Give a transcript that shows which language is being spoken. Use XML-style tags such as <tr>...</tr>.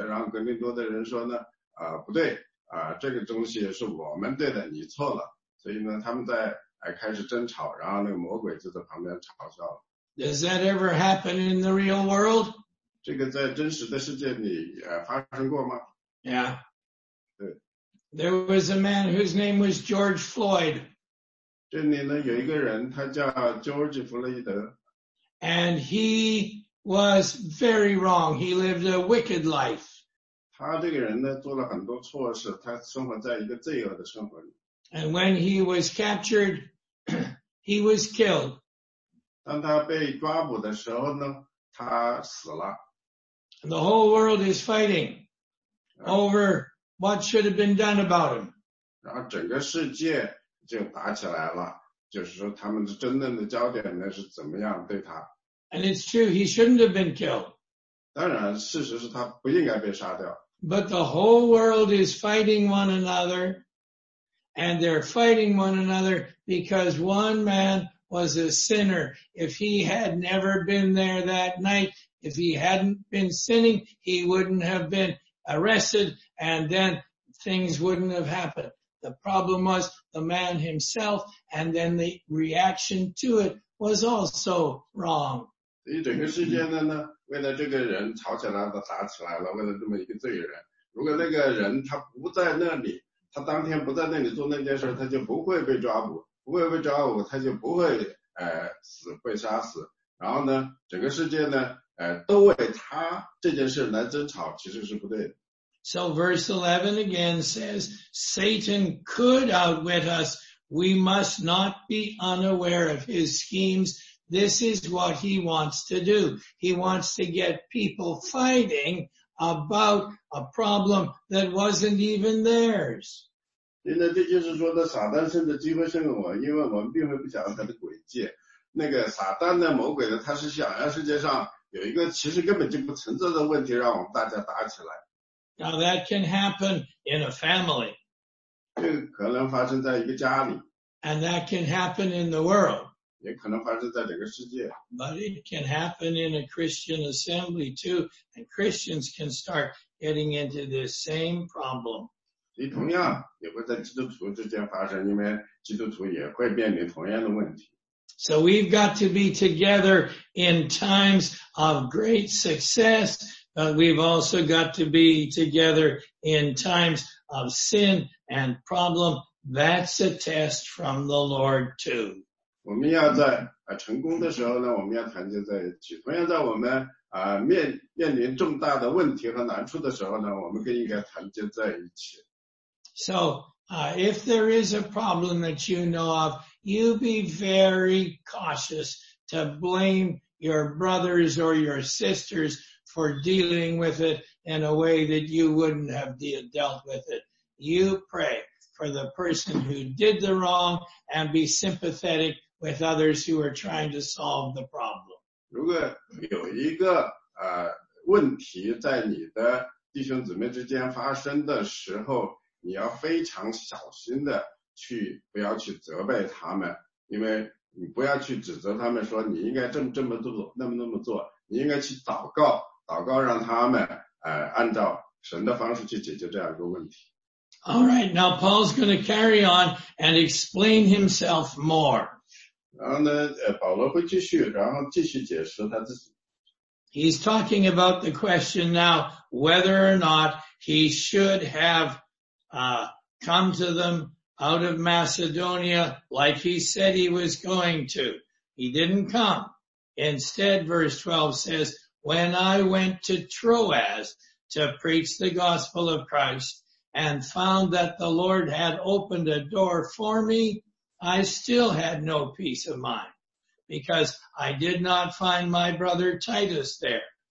<zh>然后格林多的人说呢，不对，这个东西是我们对的，你错了。所以呢，他们在开始争吵，然后那个魔鬼就在旁边嘲笑。</zh> <en>Does that ever happen in the real world?</en> <zh>这个在真实的世界里发生过吗？</zh> <en>Yeah.</en> <zh>对。</zh> <en>There was a man whose name was George Floyd.</en> <zh>这里呢有一个人，他叫 George 弗洛伊德。</zh> <en>And he was very wrong. He lived a wicked life.</en> <zh>他这个人呢做了很多错事，他生活在一个罪恶的生活里。</zh> <en>And when he was captured, he was killed.</en> <zh>当他被抓捕的时候呢，他死了。</zh> <en>The whole world is fighting over what should have been done about him.</en> <zh>然后整个世界就打起来了，就是说他们真正的焦点呢是怎么样对他。</zh> <en>And it's true, he shouldn't have been killed.</en> <zh>当然，事实是他不应该被杀掉。</zh> <en>But the whole world is fighting one another. And they're fighting one another because one man was a sinner. If he had never been there that night, if he hadn't been sinning, he wouldn't have been arrested and then things wouldn't have happened. The problem was the man himself and then the reaction to it was also wrong.</en> <zh>整个世界呢，为了这个人吵起来了，打起来了，为了这么一个罪人。如果那个人他不在那里，他当天不在那里做那件事，他就不会被抓捕，不会被抓捕，他就不会死，被杀死。然后呢，整个世界呢，都为他这件事来争吵，其实是不对的。</zh> <en>So verse 11 again says, Satan could outwit us. We must not be unaware of his schemes. This is what he wants to do. He wants to get people fighting. About a problem that wasn't even theirs.</en> <zh>现在这就是说的撒旦甚至机会胜我，因为我们并不晓得他的诡计。那个撒旦的魔鬼呢，他是想让世界上有一个其实根本就不存在的问题，让我们大家打起来。</zh> <en>Now that can happen in a family.</en> <zh>这个可能发生在一个家里。</zh> <en>And that can happen in the world.</en> <zh>也可能发生在整个世界。</zh> <en>But it can happen in a Christian assembly too, and Christians can start getting into this same problem.</en> <zh>所以同样也会在基督徒之间发生，因为基督徒也会面临同样的问题。</zh> <en>So we've got to be together in times of great success, but we've also got to be together in times of sin and problem. That's a test from the Lord too.</en> <zh>我们要在成功的时候呢，我们要团结在一起。同样在我们面临重大的问题和难处的时候呢，我们更应该团结在一起。</zh> <en>So, if there is a problem that you know of, you be very cautious to blame your brothers or your sisters for dealing with it in a way that you wouldn't have dealt with it. You pray for the person who did the wrong and be sympathetic. With others who are trying to solve the problem.</en> <zh>如果有一个问题在你的弟兄姊妹之间发生的时候，你要非常小心的去，不要去责备他们，因为你不要去指责他们说你应该这么做，那么做，你应该去祷告，让他们按照神的方式去解决这样一个问题。</zh> <en>All right, now Paul's going to carry on and explain himself more.</en> <zh>然后呢，保罗会继续，然后继续解释他自己。</zh> <en>He's talking about the question now, whether or not he should have, come to them out of Macedonia like he said he was going to. He didn't come. Instead, verse 12 says, when I went to Troas to preach the gospel of Christ and found that the Lord had opened a door for me,I still had no peace of mind because I did not find my brother Titus there.</en>